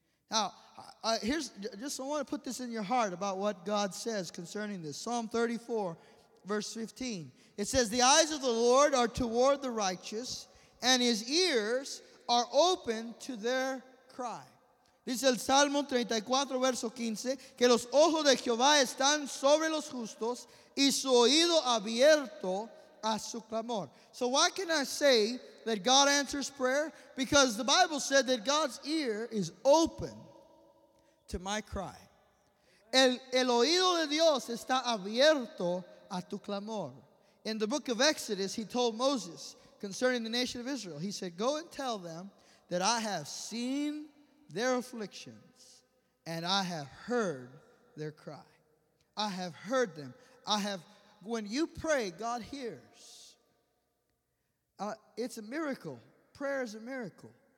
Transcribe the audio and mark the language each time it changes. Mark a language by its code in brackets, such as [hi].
[en] Now, I want to put this in your heart about what God says concerning this. Psalm 34, verse 15. It says, the eyes of the Lord are toward the righteous, and his ears are open to their cry. [es] Dice el Salmo 34, verso 15, que los ojos de Jehová están sobre los justos, y su oído abierto a su clamor. [en] So why can I say that God answers prayer? Because the Bible said that God's ear is open to my cry. [es] El oído de Dios está abierto a tu clamor. [en] In the book of Exodus, he told Moses concerning the nation of Israel. He said, go and tell them that I have seen their afflictions and I have heard their cry. I have heard them. When you pray, God hears. It's a miracle. Prayer is a miracle.